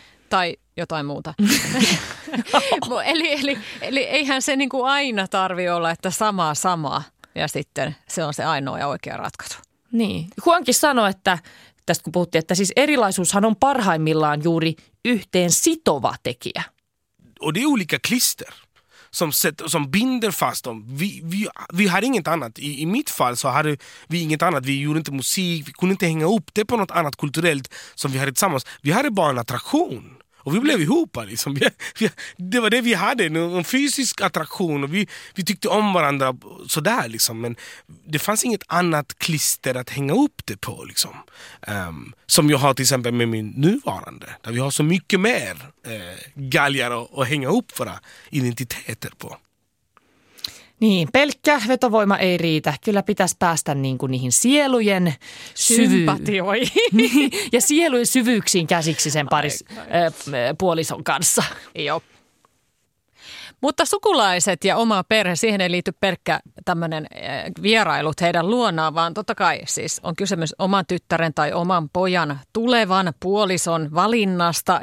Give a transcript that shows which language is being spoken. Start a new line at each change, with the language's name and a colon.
Finnish: Tai jotain muuta. eli eihän se niinku aina tarvitse olla, että sama ja sitten se on se ainoa ja oikea ratkaisu. Niin. Huankin sanoi, että tästä kun puhuttiin, että siis erilaisuushan on parhaimmillaan juuri yhteen sitova tekijä.
Swedish: Och det är olika klister som binder fast dem. Vi har inget annat. I mitt fall så hade vi inget annat. Vi gjorde inte musik. Vi kunde inte hänga upp det på något annat kulturellt som vi hade tillsammans. Vi hade bara en attraktion. Och vi blev ihop. Liksom. Det var det vi hade. En fysisk attraktion. Och vi tyckte om varandra sådär. Liksom. Men det fanns inget annat klister att hänga upp det på. Liksom. Som jag har till exempel med min nuvarande. Där vi har så mycket mer galgar att hänga upp våra identiteter på.
Finnish: Niin, pelkkä vetovoima ei riitä. Kyllä pitäisi päästä niin kuin niihin sielujen sympatioihin ja sielujen syvyyksiin käsiksi sen puolison kanssa. Joo. Mutta sukulaiset ja oma perhe, siihen ei liity pelkkä tämmöinen vierailut heidän luonaan, vaan totta kai siis on kysymys oman tyttären tai oman pojan tulevan puolison valinnasta.